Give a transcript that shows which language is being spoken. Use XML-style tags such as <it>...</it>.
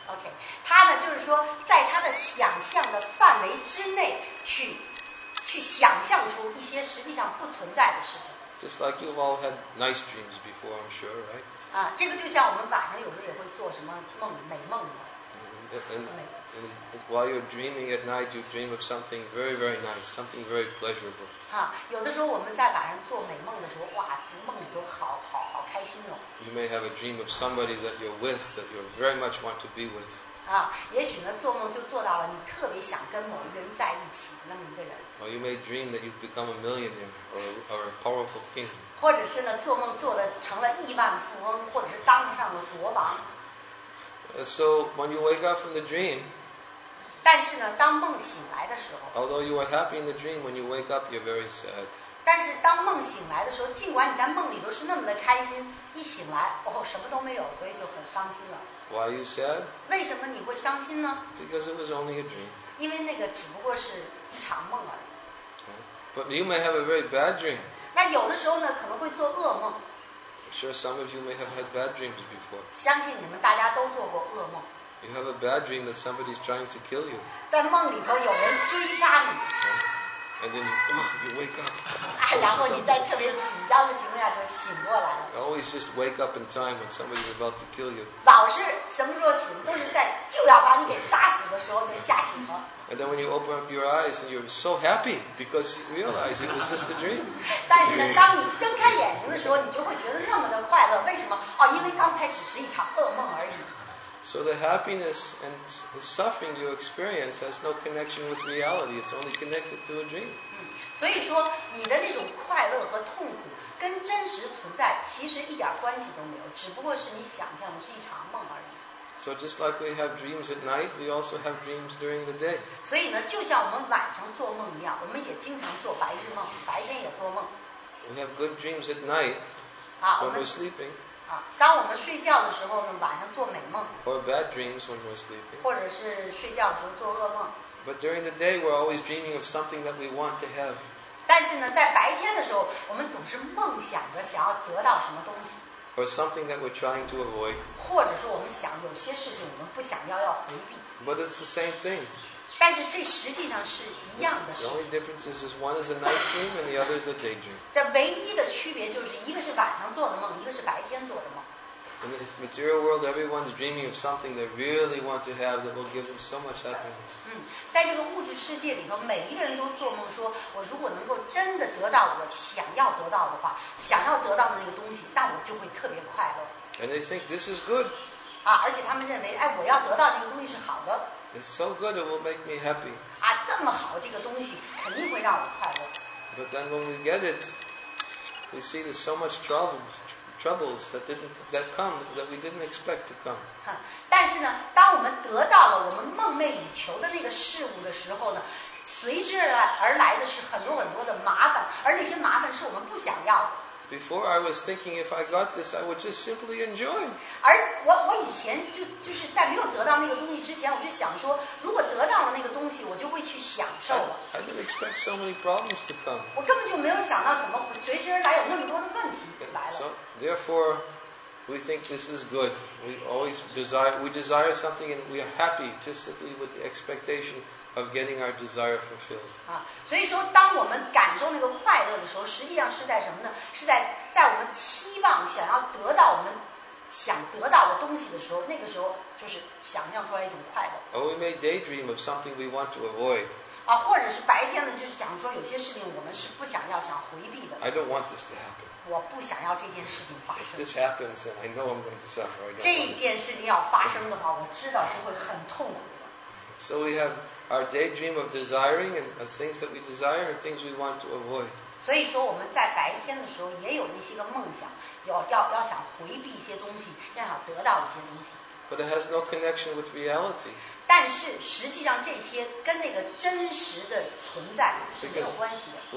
<zh>Okay, 他呢，就是说，在他的想象的范围之内去想象出一些实际上不存在的事情。</zh> <en>Just like you've all had nice dreams before, I'm sure, right?</en> <zh>啊，这个就像我们晚上有时候也会做什么梦，美梦嘛。</zh> <en>And while you're dreaming at night, you dream of something very, very nice, something very pleasurable.</en> <zh>哈，有的时候我们在晚上做美梦的时候，哇，梦里都好开心哦。</zh> <en>You may have a dream of somebody that you're with that you very much want to be with.</en> <zh>啊，也许呢，做梦就做到了你特别想跟某一个人在一起那么一个人。</zh> <en>Or you may dream that you've become a millionaire or a powerful king.</en> <zh>或者是呢，做梦做的成了亿万富翁，或者是当上了国王。</zh> <en>So when you wake up from the dream,</en> <zh>但是呢，当梦醒来的时候</zh> <en>，although you are happy in the dream, when you wake up, you're very sad.</en> <zh>但是当梦醒来的时候，尽管你在梦里都是那么的开心，一醒来，哦，什么都没有，所以就很伤心了。</zh> <en>Why are you sad?</en> <zh>为什么你会伤心呢</zh> <en>？Because it was only a dream.</en> <zh>因为那个只不过是一场梦而已。</zh> <en>But you may have a very bad dream.</en> <zh>那有的时候呢，可能会做噩梦。</zh> <en>Sure, some of you may have had bad dreams before.</en> <zh>相信你们大家都做过噩梦。</zh> <en>You have a bad dream that somebody's trying to kill you.</en> <zh>在梦里头有人追杀你。</zh> <en>And then you wake up.</en> <zh>然后你在特别紧张的情况下就醒过来了。</zh> <en>You always just wake up in time when somebody's about to kill you.</en> <zh>老是什么时候醒，都是在就要把你给杀死的时候就吓醒了。</zh> <en>And then when you open up your eyes, and you're so happy because you realize it was just a dream.</en> <zh>但是呢，当你睁开眼睛的时候，你就会觉得那么的快乐。为什么？哦，因为刚才只是一场噩梦而已。</zh> <en>So the happiness and the suffering you experience has no connection with reality. It's only connected to a dream.</en> <zh>所以说，你的那种快乐和痛苦跟真实存在其实一点关系都没有，只不过是你想象的是一场梦而已。</zh> <en>So just like we have dreams at night, we also have dreams during the day.</en> <zh>所以呢，就像我们晚上做梦一样，我们也经常做白日梦，白天也做梦。</zh> <en>We have good dreams at night when we're sleeping.</en> <zh>啊，当我们睡觉的时候呢，晚上做美梦。</zh> <en>Or bad dreams when we're sleeping.</en> <zh>或者是睡觉的时候做噩梦。</zh> <en>But during the day, we're always dreaming of something that we want to have.</en> <zh>但是呢，在白天的时候，我们总是梦想着想要得到什么东西。</zh> <en>Or something that we're trying to avoid.</en> <zh>或者是我们想有些事情我们不想要要回避。</zh> <en>But it's the same thing.</en> <zh>但是这实际上是一样的事。</zh> <en>The only difference is one is a night dream and the other is a daydream.</en> <zh>这唯一的区别就是一个是晚上做的梦，一个是白天做的梦。</zh> <en>In the material world, everyone's dreaming of something they really want to have that will give them so much happiness.</en> <zh>嗯，在这个物质世界里头，每一个人都做梦说，我如果能够真的得到我想要得到的话，想要得到的那个东西，那我就会特别快乐。</zh> <en>And they think this is good.</en> <zh>啊，而且他们认为，哎，我要得到这个东西是好的。</zh> <en>It's so good, it will make me happy.</en> <zh>啊，这么好这个东西肯定会让我快乐。</zh> <en>But then when we get it, we see there's so much troubles. Troubles that we didn't expect to come.</en> <zh>但是呢，当我们得到了我们梦寐以求的那个事物的时候呢，随之而来的是很多很多的麻烦，而那些麻烦是我们不想要的。</zh> <en>Before I was thinking, if I got this, I would just simply enjoy.</en> <zh>而我以前就是在没有得到那个东西之前，我就想说，如果得到了那个东西，我就会去享受了。</zh> <en>I didn't expect so many problems to come.</en> <zh>我根本就没有想到怎么随之而来有那么多的问题来了。</zh> <en>So therefore, we think this is good. We always desire. We desire something, and we are happy just simply with the expectation. Of getting our desire fulfilled.</en> <zh>啊，所以说，当我们感受那个快乐的时候，实际上是在什么呢？是在我们期望想要得到我们想得到的东西的时候，那个时候就是想象出来一种快乐。</zh> <en>Or we may daydream of something we want to avoid.</en> <zh>啊，或者是白天呢，就是想说有些事情我们是不想要、想回避的。</zh> <en>I don't want this to happen.</en> <zh>我不想要这件事情发生。</zh> <en>If this happens, then I know I'm going to suffer.</en> <zh>这件事情要发生的话，我知道就会很痛苦的。</zh> <en>So we have. Our daydream of desiring and the things that we desire and things we want to avoid.</en> <zh>所以说我们在白天的时候也有那些个梦想，要想回避一些东西，要想得到一些东西。</zh> <en>But it has no connection with reality.</en> <zh>但是实际上这些跟那个真实的存在是没有关系的。</zh>